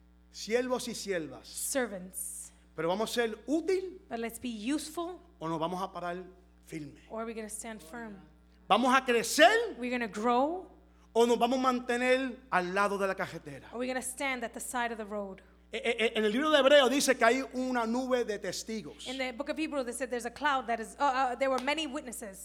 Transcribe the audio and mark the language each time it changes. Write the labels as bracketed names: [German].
[Spanish] Siervos y siervas. [English] Servants. [Spanish] Pero vamos a ser útil. [English] But let's be useful. [Spanish] O nos vamos a parar firme. [English] Or are we going to stand firm? [Spanish] Vamos a crecer. [English] We're going to grow. [Spanish] O nos vamos a mantener al lado de la carretera. [English] Or are we going to stand at the side of the road? [Spanish] En el libro de Hebreo dice que hay una nube de testigos. [English] In the book of Hebrews they said there's a cloud that is there were many witnesses.